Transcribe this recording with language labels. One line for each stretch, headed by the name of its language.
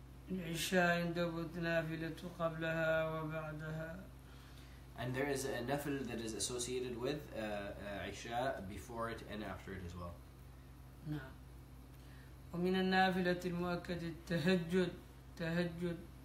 Arabic: العشاء يندبت نافلة قبلها وبعدها.
English: And there is a nafil that is associated with عشاء before it and after it as well.
Arabic: نعم. ومن النافلة المؤكدة التهجد. تهجد.